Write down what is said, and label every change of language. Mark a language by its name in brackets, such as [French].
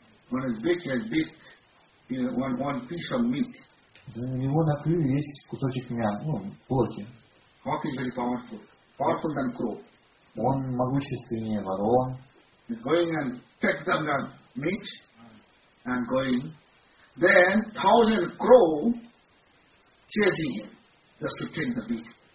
[English] When his beak has big, one piece of meat. [Russian] У него на крыле есть кусочек мяса, ну, плоти. [English] Hawk is very powerful than crow. [Russian] Он могущественнее ворон. [English] He's going and pick them the meat and going. Then 1,000 crow chasing him just to take the meat.